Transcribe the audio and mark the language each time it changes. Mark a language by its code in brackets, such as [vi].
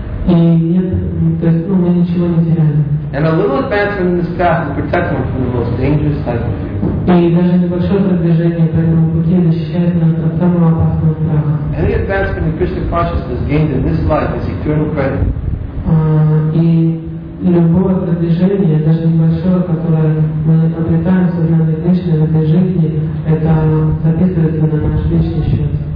[ru] И нет, то есть, мы ничего не теряем. [en] And a little advancement in this path will protect one from the most dangerous type of fear. [ru] И даже небольшое продвижение по этому пути защищает нас от самого опасного страха. [en] Any advancement in Krishna consciousness gained in this life is eternal credit. [ru] И любое продвижение, даже небольшое, которое мы обретаем в сознании Кришны в этой жизни, это записывается на наш личный счет.